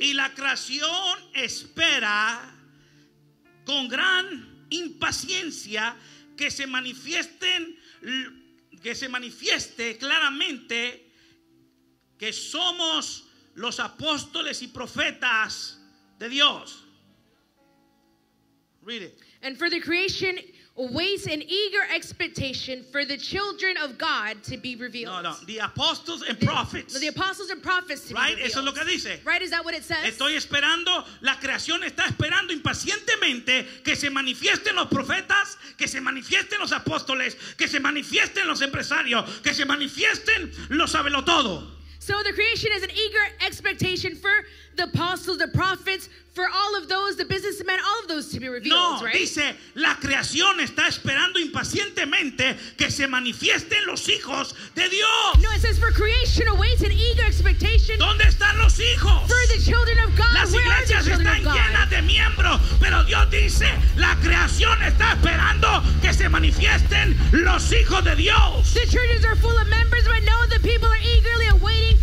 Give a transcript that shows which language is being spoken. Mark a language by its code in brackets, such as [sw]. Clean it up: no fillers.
[es] Y la creación espera con gran impaciencia que se manifiesten, que se manifieste claramente que somos los apóstoles y profetas de Dios. [en] Read it. And for the creation awaits an eager expectation for the children of God to be revealed. No, the apostles and prophets. The apostles and prophets to right? be revealed. [es] Right, eso es lo que dice. [en] Right, is that what it says? [es] Estoy esperando, la creación está esperando impacientemente que se manifiesten los profetas, que se manifiesten los apóstoles, que se manifiesten los empresarios, que se manifiesten los sabelotodo. [en] So the creation is an eager expectation for the apostles, the prophets, for all of those, the businessmen, all of those to be revealed, no, right? [es] No, dice, la creación está esperando impacientemente que se manifiesten los hijos de Dios. [en] No, it says for creation awaits an eager expectation. [es] ¿Dónde están los hijos? [en] For the children of God. [es] Las iglesias están llenas de miembros, pero Dios dice, la creación está esperando que se manifiesten los hijos de Dios. [en] The churches are full of members, but no, the people are eagerly awaiting.